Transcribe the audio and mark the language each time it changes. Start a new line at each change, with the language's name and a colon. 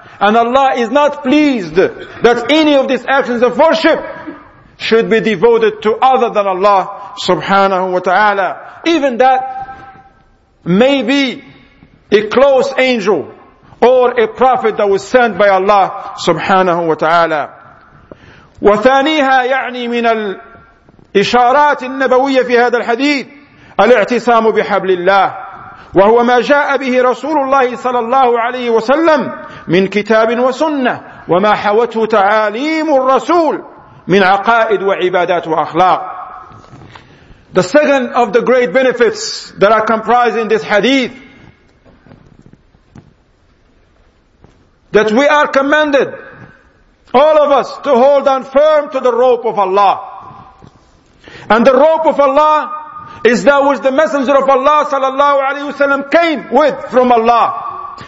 English: And Allah is not pleased that any of these actions of worship should be devoted to other than Allah subhanahu wa ta'ala. Even that may be a close angel or a prophet that was sent by Allah subhanahu wa ta'ala.
Arabic: وثانيها يعني من الإشارات النبوية في هذا الحديث الاعتصام بحبل الله وهو ما جاء به رسول الله صلى الله عليه وسلم من كتاب وسنة وما حوته تعاليم الرسول من عقائد وعبادات وأخلاق.
English: The second of the great benefits that are comprised in this hadith, that we are commanded, all of us, to hold on firm to the rope of Allah. And the rope of Allah is that which the Messenger of Allah sallallahu alayhi wasallam came with from Allah.